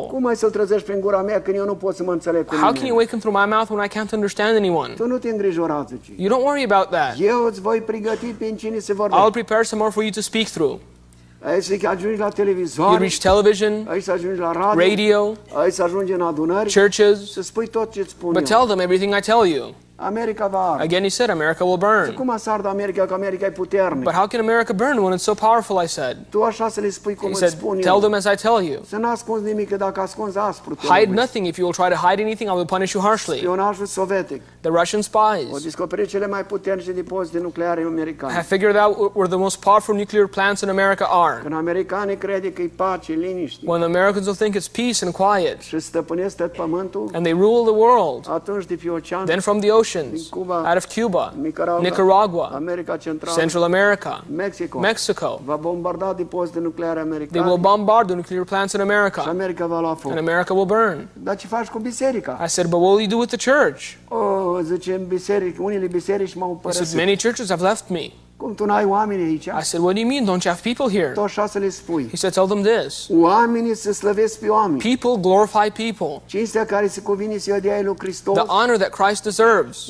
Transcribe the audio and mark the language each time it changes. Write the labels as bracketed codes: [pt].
[ro] Cum ai să-l trezești prin gura mea când eu nu pot să mă înțeleg cu nimeni? [en] How can you wake him through my mouth when I can't understand anyone? [ro] Tu nu te îngrijora, zici. [en] You don't worry about that. [ro] Eu îți voi pregăti prin cine se vorbește. [en] I'll prepare some more for you to speak through. [ro] Aici ajungi la televizor. [en] You reach television. [ro] Aici ajungi la radio. [en] Radio. [ro] Aici ajungi în adunări. [en] Churches. [ro] Să spui tot ce îți spun eu. [en] But tell them everything I tell you. [ro] America va arde. [en] Again, he said, America will burn. [ro] Cum să ardă America, că America e puternic. [en] But how can America burn when it's so powerful, I said. [ro] Tu așa să le spui cum îți spun eu. [en] Tell them as I tell you. [ro] Să n-ascunzi nimic, că dacă ascunzi aspru. [en] Hide nothing. If you will try to hide anything, I will punish you harshly. [ro] Spionajul sovietic. [en] The Russian spies. [ro] Au descoperit cele mai puternice depozite nucleare americane. [en] Have figured out where the most powerful nuclear plants in America are. [ro] Când americanii cred că e pace, liniște. [en] When the Americans will think it's peace and quiet. [ro] Și stăpânesc tot pământul. [en] And they rule the world. [ro] Atunci de pe ocean. [en] Then from the ocean. [ro] Cuba, [en] out of Cuba, [ro] Nicaragua, America Central, [en] Central America, [ro] Mexico, [en] Mexico. [ro] Va bombarda depozitele nucleare americane. [en] They will bombard the nuclear plants in America. [ro] Și America va lua foc. [en] And America will burn. [ro] Dar ce faci cu biserica? [en] I said, but what will you do with the church? [ro] Oh, zice, biserici, unele biserici m-au părăsit. [en] He said, many churches have left me. [ro] Cum tu n-ai oameni aici? [en] I said, what do you mean? Don't you have people here? [ro] Tot așa să le spui. [en] He said, tell them this. [ro] Oamenii se slăvesc pe oameni. [en] People glorify people. [ro] Cinstea care se cuvine să o dea lui Hristos. [en] The honor that Christ deserves.